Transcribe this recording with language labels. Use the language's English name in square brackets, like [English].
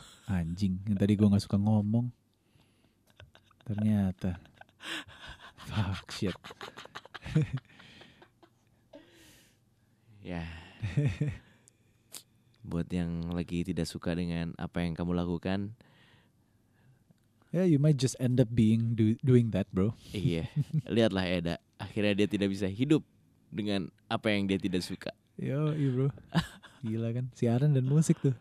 [Indonesian] Anjing, yang tadi gue gak suka ngomong. Ternyata. [English] Fuck shit. [Indonesian] Ya. Buat yang lagi tidak suka dengan apa yang kamu lakukan. [English] Ya, yeah, you might just end up being doing that, bro. [Indonesian] Iya, yeah. Lihatlah Eda. Akhirnya dia tidak bisa hidup dengan apa yang dia tidak suka. Yo, iya bro. Gila kan, siaran dan musik tuh.